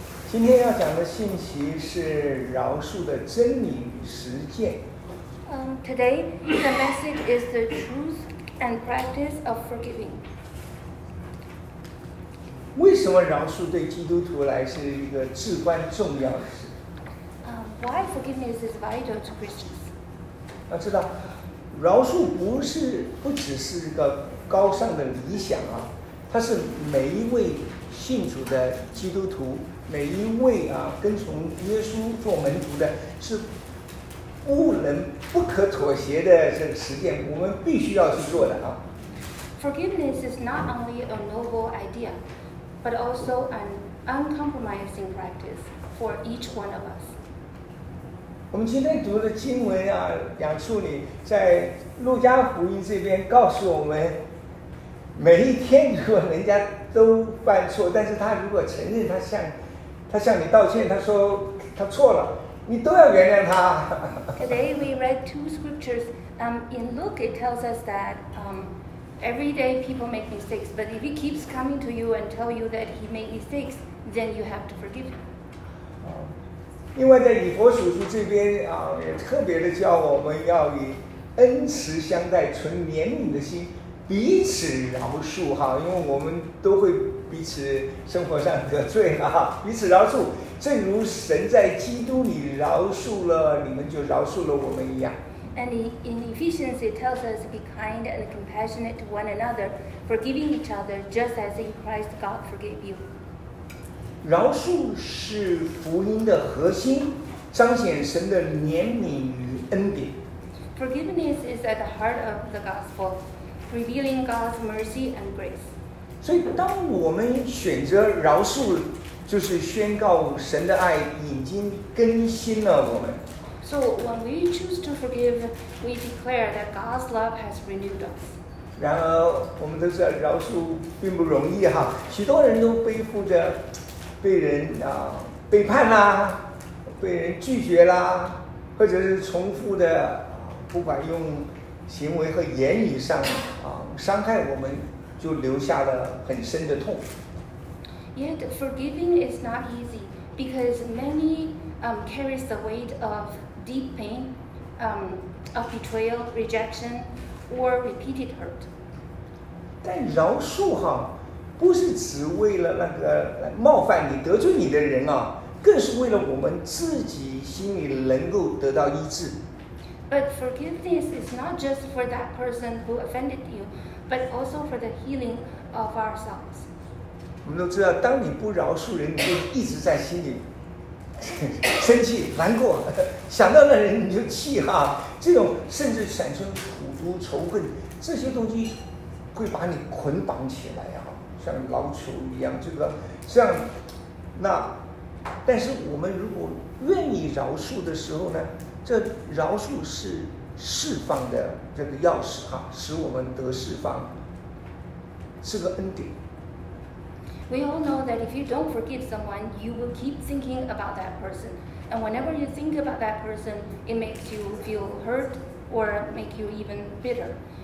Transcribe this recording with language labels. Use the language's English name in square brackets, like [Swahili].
[Chinese] 今天要讲的信息是饶恕的真理与实践。 [English] Today the message is the truth and practice of forgiving. [Chinese] 为什么饶恕对基督徒来是一个至关重要的事？ [English] Why forgiveness is vital to Christians? [Chinese] 要知道，饶恕不只是一个高尚的理想啊，它是每一位信主的基督徒，每一位啊跟从耶稣做门徒的，是不能不可妥协的这个实践，我们必须要去做的啊。 [English] Forgiveness is not only a noble idea. But also an uncompromising practice for each one of us. [Chinese] 我们今天读的经文啊，杨处理在路加福音这边告诉我们，每一天如果人家都犯错，但是他如果承认他向你道歉，他说他错了，你都要原谅他。 [English] Today we read two scriptures. In Luke it tells us that. Every day people make mistakes, but if he keeps coming to you and tell you that he made mistakes, then you have to forgive him. [Chinese] 另外在以弗所书这边啊，也特别的叫我们要以恩慈相待，存怜悯的心，彼此饶恕哈，因为我们都会彼此生活上得罪哈，彼此饶恕，正如神在基督里饶恕了你们，就饶恕了我们一样。 [English] And in Ephesians, it tells us to be kind and compassionate to one another, forgiving each other, just as in Christ God forgave you. [Chinese] 饶恕是福音的核心，彰显神的怜悯与恩典。 [English] Forgiveness is at the heart of the gospel, revealing God's mercy and grace. [Chinese] 所以当我们选择饶恕，就是宣告神的爱已经更新了我们。 [English] So when we choose to forgive, we declare that God's love has renewed us. [Chinese] 然而，我们都知道饶恕并不容易哈，许多人都背负着被人啊背叛啦，被人拒绝啦，或者是重复的，不管用行为和言语上啊伤害我们，就留下了很深的痛。 [English] Yet forgiving is not easy because many carries the weight of deep pain, of betrayal, rejection, or repeated hurt. [Chinese] 但饶恕哈，不是只为了那个冒犯你、得罪你的人啊，更是为了我们自己心里能够得到医治。 [English] But forgiveness is not just for that person who offended you, but also for the healing of ourselves. [Chinese] 我们都知道，当你不饶恕人，你就一直在心里。生气、难过，想到那人你就气哈，这种甚至产生苦毒、仇恨，这些东西会把你捆绑起来啊，像牢囚一样。这个像那，但是我们如果愿意饶恕的时候呢，这饶恕是释放的这个钥匙哈，使我们得释放，是个恩典。 [English] We all know that if you don't forgive someone, you will keep thinking about that person. And whenever you think about that person, it makes you feel hurt or make you even bitter.